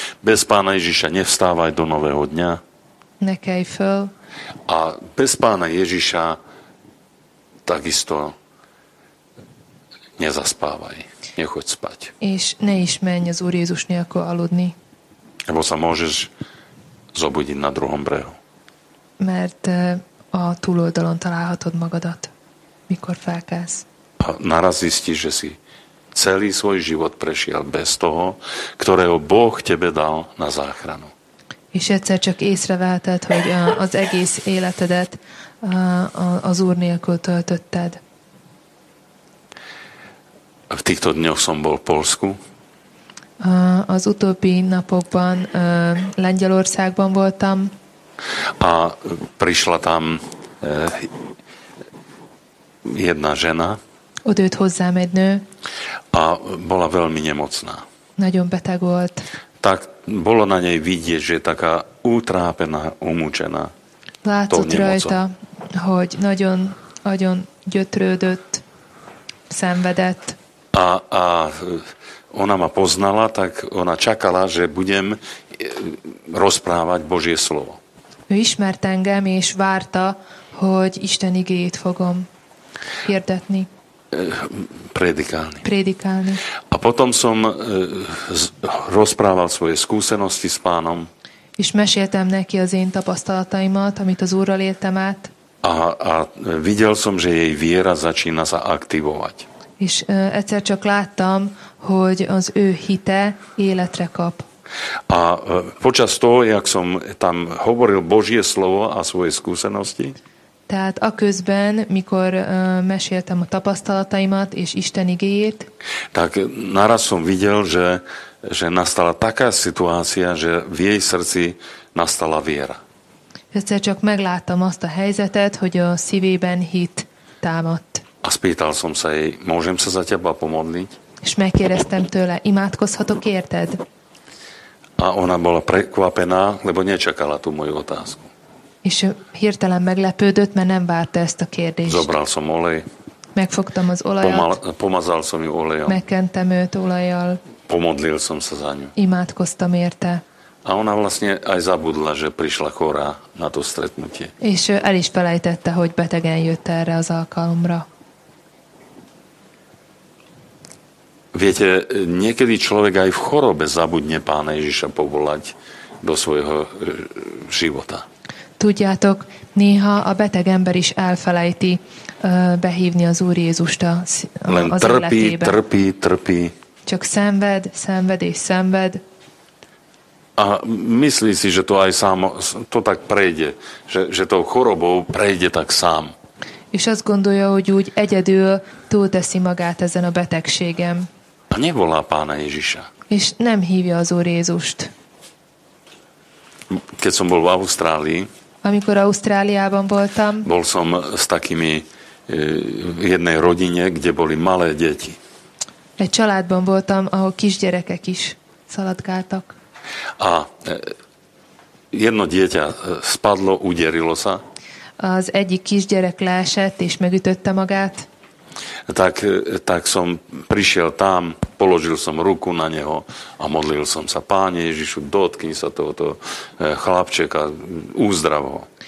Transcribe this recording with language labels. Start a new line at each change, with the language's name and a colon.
Slovak: Bez Pána Ježiša nevstávaj do nového dňa.
Hungarian: Ne kej föl.
Slovak: A bez Pána Ježiša takisto nezaspávaj. Nechoď spať.
Hungarian: És ne is menj az Úr Jézus nélkül aludni.
Slovak: Lebo sa môžeš zobudiť na druhom brehu.
Hungarian: Mert a túloldalon találhatod magadat, mikor felkelsz.
Slovak: A naraz zistíš, že si celý svoj život prešiel bez toho, ktorého Boh tebe dal na záchranu.
Hungarian: És egyszer csak észreveheted, hogy az egész életedet az Úr nélkül töltötted.
Slovak: V týchto dňoch som bol v Poľsku.
Hungarian: Az utóbbi napokban Lengyelországban voltam.
Slovak: A prišla tam jedna žena.
Hungarian: Odjött hozzám egy nő.
Slovak: A bola veľmi nemocná.
Hungarian: Nagyon beteg volt.
Slovak: Tak bolo na nej vidieť, že je taká utrápená, umúčená.
Hungarian: Látszott rajta, hogy nagyon gyötrődött, szenvedett.
Slovak: A ona ma poznala, tak ona čakala, že budem rozprávať Božie slovo.
Hungarian: Ő ismert engem, és várta, hogy Isten igéjét fogom hirdetni.
Slovak: Predikálni. A potom som rozprával svoje skúsenosti s pánom.
Hungarian: És meséltem neki az én tapasztalataimat, amit az Úrral éltem át.
Slovak: A videl som, že jej viera začína sa aktivovať.
Hungarian: És egyszer csak láttam, hogy az ő hite életre kap.
Slovak: A počas toho, jak som tam hovoril Božie slovo a svoje skúsenosti,
Hungarian: tehát a közben, mikor meséltem a tapasztalataimat és Isten igéjét,
Slovak: tak naraz som videl, že nastala taká situácia, že v jej srdci nastala viera.
Hungarian: Egyszer csak megláttam azt a helyzetet, hogy a szívében hit támadt.
Slovak: A spýtal som sa jej, môžem sa za teba pomodliť?
Hungarian: És megkérdeztem tőle, imádkozhatok érted?
Slovak: A ona bola prekvapená, lebo nečakala tú moju otázku.
Hungarian: És hirtelen meglepődött, mert nem várta ezt a kérdést.
Slovak: Zobral som olej.
Hungarian: Megfogtam az olajat.
Slovak: Pomazal som ju olejom.
Hungarian: Megkentem őt olajjal.
Slovak: Pomodlil som sa za ňu.
Hungarian: Imádkoztam érte.
Slovak: A ona vlastne aj zabudla, že prišla chorá na to stretnutie.
Hungarian: És el is felejtette, hogy betegen jött erre az alkalomra.
Slovak: Viete, niekedy človek aj v chorobe zabudne Pána Ježiša povolať do svojho života.
Hungarian: Tudjátok, néha a beteg ember is elfelejti behívni az Úr Jézust az életébe.
Slovak: Len trpí.
Hungarian: Csak szenved, szenved és szenved.
Slovak: A myslí si, že to aj sám, to tak prejde, že tou chorobou prejde tak sám.
Hungarian: És azt gondolja, hogy úgy egyedül túlteszi magát ezen a betegségem.
Slovak: A nevolá Pána Ježiša.
Hungarian: És nem hívja az Úr Jézust.
Slovak: Keď som bol v Ausztrálii,
Hungarian: amikor Ausztráliában voltam,
Slovak: bol som s takými v jednej rodine, kde boli malé deti.
Hungarian: Egy családban voltam, ahol kisgyerekek is szaladgáltak.
Slovak: A jedno dieťa spadlo, uderilo sa.
Hungarian: Az egyik kisgyerek leesett és megütötte magát.
Slovak: Tak som prišiel tam, položil som ruku na neho a modlil som sa: Páne Ježišu, dotkni sa tohoto chlapčeka, uzdrav ho.